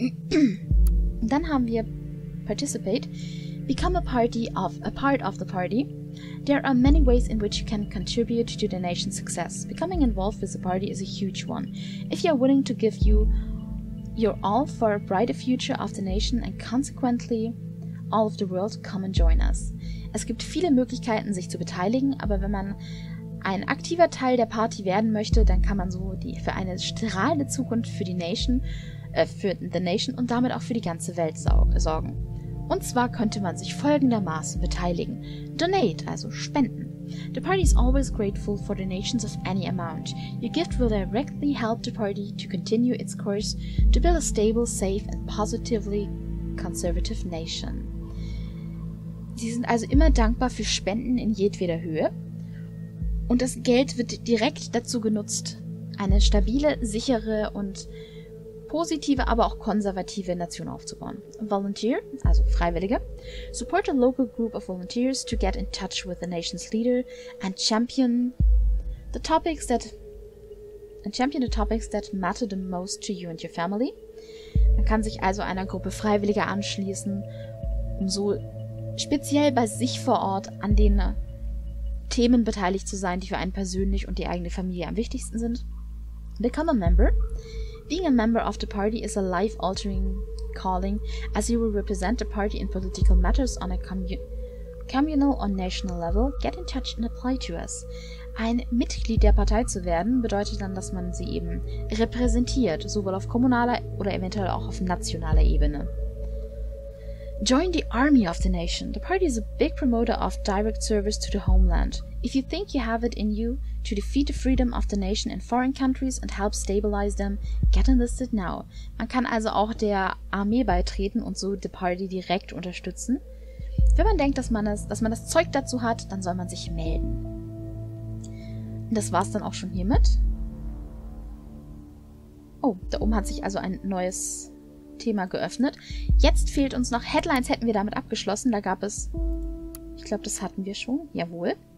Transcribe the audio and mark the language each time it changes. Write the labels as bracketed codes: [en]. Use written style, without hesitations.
[de] Und dann haben wir [en] Participate. Become a part of the party. There are many ways in which you can contribute to the nation's success. Becoming involved with the party is a huge one. If you are willing to give your all for a brighter future of the nation and consequently all of the world, come and join us. [de] Es gibt viele Möglichkeiten, sich zu beteiligen, aber wenn man ein aktiver Teil der Party werden möchte, dann kann man so für eine strahlende Zukunft für the Nation und damit auch für die ganze Welt sorgen. Und zwar könnte man sich folgendermaßen beteiligen. Donate, also spenden. [en] The party is always grateful for donations of any amount. Your gift will directly help the party to continue its course to build a stable, safe and positively conservative nation. [de] Sie sind also immer dankbar für Spenden in jedweder Höhe. Und das Geld wird direkt dazu genutzt, eine stabile, sichere und positive, aber auch konservative Nation aufzubauen. Volunteer, also Freiwillige. [en] Support a local group of volunteers to get in touch with the nation's leader and champion the topics that matter the most to you and your family. [de] Man kann sich also einer Gruppe Freiwilliger anschließen, um so speziell bei sich vor Ort an den Themen beteiligt zu sein, die für einen persönlich und die eigene Familie am wichtigsten sind. [en] Become a member. Being a member of the party is a life-altering calling, as you will represent the party in political matters on a communal or national level. Get in touch and apply to us. [de] Ein Mitglied der Partei zu werden, bedeutet dann, dass man sie eben repräsentiert, sowohl auf kommunaler oder eventuell auch auf nationaler Ebene. [en] Join the army of the nation. The party is a big promoter of direct service to the homeland. If you think you have it in you to defeat the freedom of the nation in foreign countries and help stabilize them, get enlisted now. [de] Man kann also auch der Armee beitreten und so the party direkt unterstützen. Wenn man denkt, dass man das Zeug dazu hat, dann soll man sich melden. Und das war's dann auch schon hiermit. Oh, da oben hat sich also ein neues Thema geöffnet. Jetzt fehlt uns noch Headlines, hätten wir damit abgeschlossen. Da gab es, ich glaube, das hatten wir schon. Jawohl.